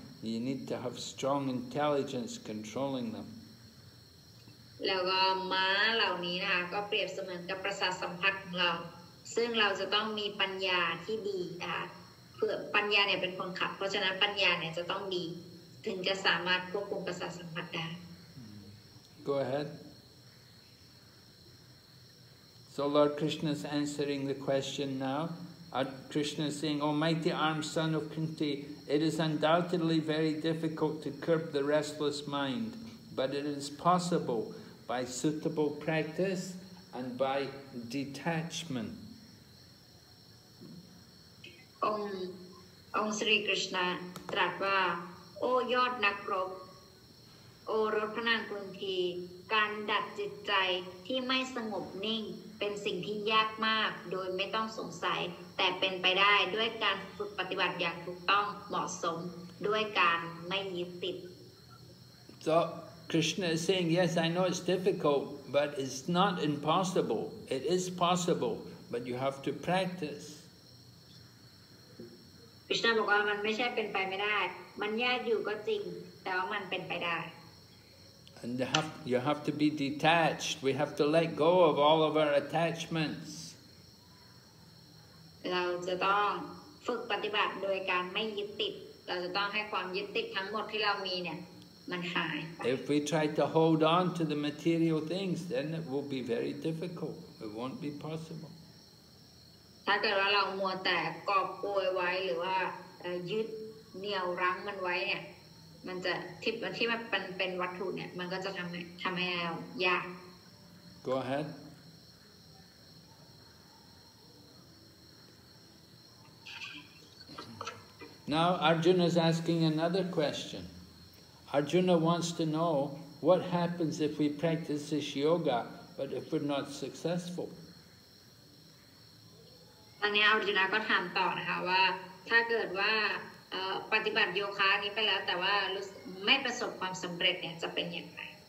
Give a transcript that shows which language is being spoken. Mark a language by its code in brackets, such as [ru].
[en] You need to have strong intelligence controlling them. [th] แล้วก็ม้าเหล่านี้นะคะก็เปรียบเสมือนกับประสาทสัมผัสของเราซึ่งเราจะต้องมีปัญญาที่ดีนะคะปัญญาเนี่ยเป็นคนขับเพราะฉะนั้นปัญญาเนี่ยจะต้องดีถึงจะสามารถควบคุมประสาทสัมผัสได้ [en] Go ahead. So Lord Krishna is answering the question now. Krishna is saying, Almighty armed son of Kunti, it is undoubtedly very difficult to curb the restless mind, but it is possible by suitable practice and by detachment. [th] องค์ศรีกฤษณาตรัสว่าโอ้ยอดนักรบโอรสพระนางกุนทีการดัดจิตใจที่ไม่สงบนิ่งเป็นสิ่งที่ยากมากโดยไม่ต้องสงสัยแต่เป็นไปได้ด้วยการฝึกปฏิบัติอย่างถูกต้องเหมาะสมด้วยการไม่ยึดติด [en] So Krishna is saying yes I know it's difficult but it's not impossible it is possible but you have to practice [th] คือมันก็มันไม่ใช่เป็นไปไม่ได้มันยากอยู่ก็จริงแต่ว่ามันเป็นไปได้ [en] And you have to be detached we have to let go of all of our attachments [th] เราจะต้องฝึกปฏิบัติโดยการไม่ยึดติดเราจะต้องให้ความยึดติดทั้งหมดที่เรามีเนี่ยมันหาย [en] If we try to hold on to the material things then it will be very difficult it won't be possible [th] ถ้าเกิดว่าเรามัวแต่กอบโกยไว้หรือว่ายึดเหนี่ยวรั้งมันไว้เนี่ยมันจะที่มันเป็นวัตถุเนี่ยมันก็จะทำให้เรายาก [en] Go ahead Now Arjuna is asking another question. Arjuna wants to know what happens if we practice this yoga, but if we're not successful. [th] ตอนนี้อาร์จุนาก็ถามต่อนะคะว่าถ้าเกิดว่าปฏิบัติโยคะนี้ไปแล้วแต่ว่าไม่ประสบความสำเร็จเนี่ยจะเป็นอย่างไร